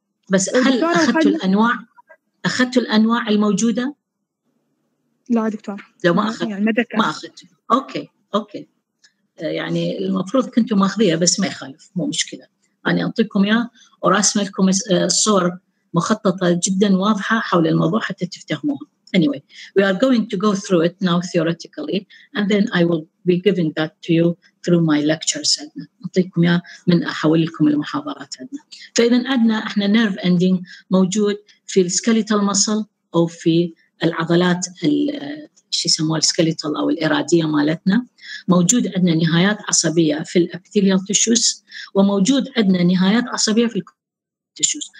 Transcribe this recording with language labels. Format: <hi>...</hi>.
<ar>بس هل أخذت الأنواع الموجودة؟ لا دكتور، لو ما أخذت. أوكي يعني المفروض كنتوا ماخذيها، بس ما يخالف مو مشكلة، أنا أعطيكم إياه وراسم لكم صور مخططة جدا واضحة حول الموضوع حتى تفتهموها.</ar> <en>Anyway, we are going to go through it now theoretically and then I will be giving that to you through my lectures.</en> <ar>أعطيكم إياه من أحاول لكم المحاضرات عندنا. فإذا عندنا إحنا نيرف أندينج موجود في السكيليتال مسل أو في العضلات الشي يسموها السكيليتال أو الإرادية مالتنا، موجود عندنا نهايات عصبية في الأبيثيليال تيشوز، وموجود عندنا نهايات عصبية في التيشوز.</ar>